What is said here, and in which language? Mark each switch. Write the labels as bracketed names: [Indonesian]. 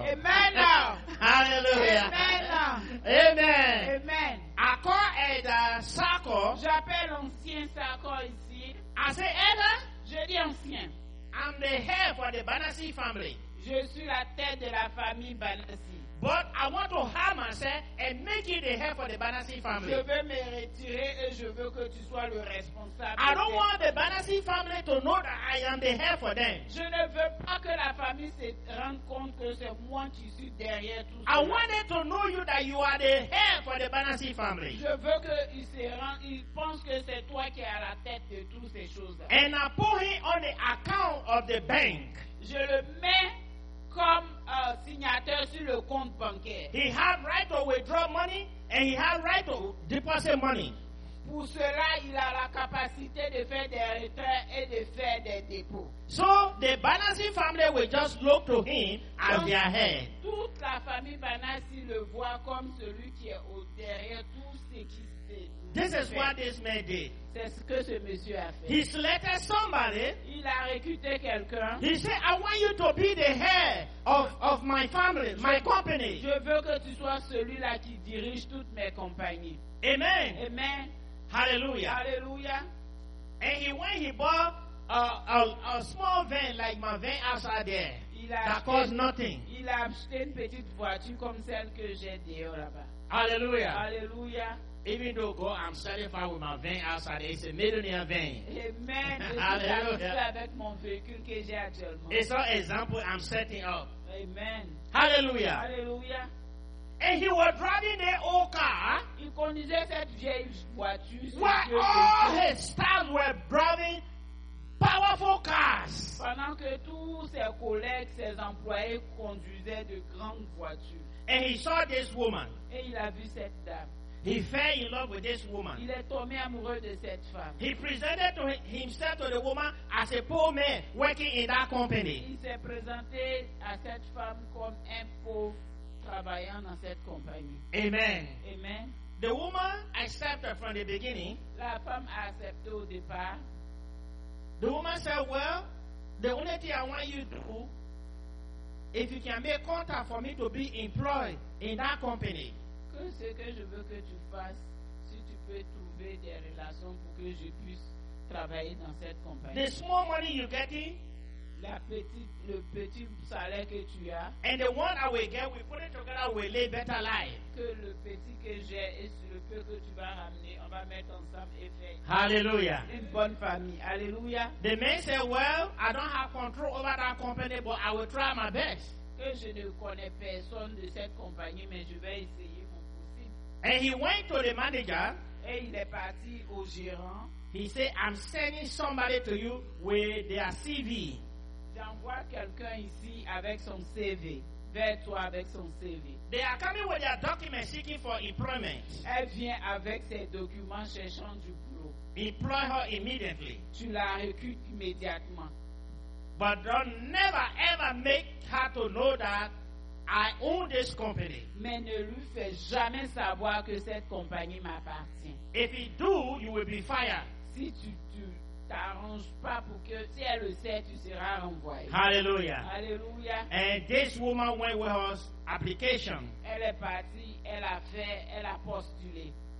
[English] Amen now. Hallelujah. Amen now. Amen. Amen. I call Ed Sarko. [French] J'appelle ancien Sarko ici. [English] I say Ed. [French] Je dis ancien. [English] I'm the head for the Banassi family. [French] Je suis la tête de la famille Banassi. [English] But I want to harm myself and make you the head for the Banassi family. [French] Je veux me retirer et je veux que tu sois le responsable. [English] I don't want the Banassi family to know that I am the head for them. [French] Je ne veux pas que la famille se rende compte que c'est moi qui suis derrière tout ça. [English] I want them to know you that you are the head for the Banassi family. [French] Je veux qu'ils se rendent, ils pensent que c'est toi qui es à la tête de toutes ces choses. [English] And I put him on the account of the bank. [French] Je le mets comme signateur sur le compte bancaire. [English] He had right to withdraw money and he had right to deposit money. [French] Pour cela, il a la capacité de faire des retraits et de faire des dépôts. [English] So the Banassi family will just look to him as their head. [French] Toute la famille Banassi le voit comme celui qui est au derrière tout ce qui se fait. [English] This is what this man did. [French] C'est ce que ce monsieur a fait. [English] He selected somebody. [French] Il a recruté quelqu'un. [English] He said, I want you to be the head of my family, my company. [French] Je veux que tu sois celui-là qui dirige toutes mes compagnies. [English] Amen. Amen. Hallelujah. Hallelujah. And he bought a small van like my van outside there. [French] Il a [English] that cost nothing. [French] Il a acheté une petite voiture comme celle que j'ai dehors là-bas. [English] Hallelujah. Hallelujah. Even though God, I'm satisfied with my van outside. It's a millionaire van. [French] Amen. Hallelujah. Avec mon véhicule que j'ai actuellement. [English] It's an example I'm setting up. Amen. Hallelujah. Hallelujah. And he was driving the old car. [French] Il conduisait cette vieille voiture. [English] While all his staff were driving powerful cars. [French] Pendant que tous ses collègues, ses employés conduisaient de grandes voitures. [English] And he saw this woman. [French] Et il a vu cette dame. [English] He fell in love with this woman. [French] Il est tombé amoureux de cette femme. [English] He presented to himself to the woman as a poor man working in that company. [French] Il s'est présenté à cette femme comme un pauvre travaillant dans cette compagnie. [English] Amen. Amen. The woman accepted from the beginning. [French] La femme a accepté au départ. [English] The woman said, well, the only thing I want you to do, if you can make contact for me to be employed in that company. [French] Ce que je veux que tu fasses, si tu peux trouver des relations pour que je puisse travailler dans cette compagnie. [English] The small money you're getting, [French] le petit salaire que tu as, [English] and the one I will get, we put it together, we live better life. [French] Que le petit que j'ai et sur le peu que tu vas ramener, on va mettre ensemble et faire. [English] Hallelujah. [French] Une bonne famille. Hallelujah. [English] The man said, "Well, I don't have control over that company, but I will try my best." [French] Que je ne connais personne de cette compagnie, mais je vais essayer mon possible. [English] And he went to the manager. [French] Et il est parti au gérant. [English] He said, "I'm sending somebody to you with their CV." [French] J'envoie quelqu'un ici avec son CV. Vers toi avec son CV. [English] They are coming with their documents seeking for employment. [French] Elle vient avec ses documents cherchant du boulot. [English] Employ her immediately. [French] Tu la recrutes immédiatement. [English] But don't never ever make her to know that I own this company. [French] Mais ne lui fais jamais savoir que cette compagnie m'appartient. [English] If he do, you will be fired. [French] Si tu t'arranges pas pour que si elle le sait, tu seras renvoyé. [English] Hallelujah. Hallelujah. And this woman went with her application. [French] Elle est partie, elle a postulé.